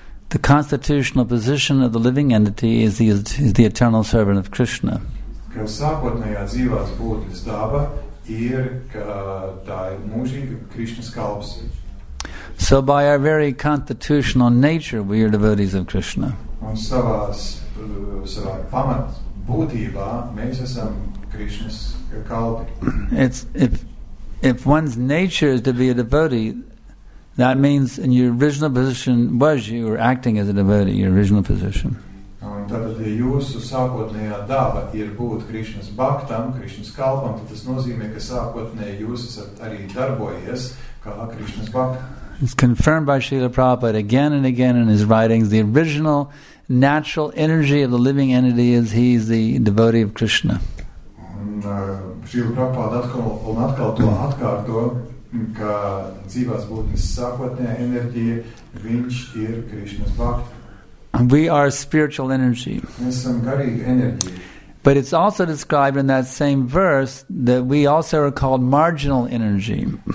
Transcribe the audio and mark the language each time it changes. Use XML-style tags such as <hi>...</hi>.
<en>The constitutional position of the living entity is the eternal servant of Krishna.</en> <lv>Ka sākotnējā dzīvās būtnes daba ir, ka tā ir mūžīga Krišnas kalps.</lv> <en>So by our very constitutional nature we are devotees of Krishna.</en> <lv>Un savā pamat būtībā mēs esam Krišnas kalpi.</lv> <en>It's if one's nature is to be a devotee, that means in your original position was you were acting as a devotee, your original position.</en> <lv>Un tātad, ja jūsu sākotnējā daba ir būt Krišnas baktam, Krišnas kalpam, tad tas nozīmē, ka sākotnēji jūs esat arī darbojies kā Krišnas bakta.</lv> <en>It's confirmed by Srila Prabhupada again and again in his writings. The original natural energy of the living entity is he is the devotee of Krishna.</en> <lv>Srila Prabhupada atkal to atkārto, ka dzīvās būtnes sākotnējā enerģija, viņš ir Krishna's bhakta.</lv> <en>We are spiritual energy.</en> <lv>Mēs esam garīga enerģija.</lv> <en>But it's also described in that same verse that we also are called marginal energy.</en>